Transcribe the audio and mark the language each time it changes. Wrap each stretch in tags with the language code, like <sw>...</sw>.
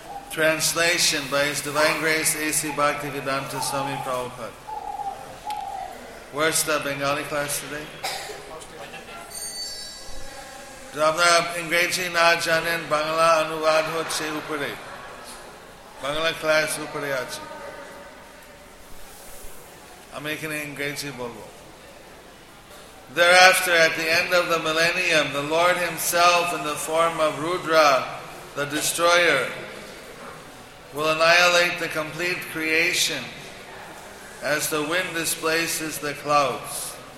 <en>Translation by His Divine Grace A.C. Bhaktivedanta Swami Prabhupada. Where's the Bengali class today?</en> <bn>আমরা ইংরেজি না জানেন বাংলা অনুবাদ হচ্ছে উপরে, বাংলা ক্লাস উপরে আছে, আমি এখানে ইংরেজি বলব.</bn> <en>Thereafter, at the end of the millennium, the Lord Himself in the form of Rudra, the destroyer, will annihilate the complete creation as the wind displaces the clouds.</en>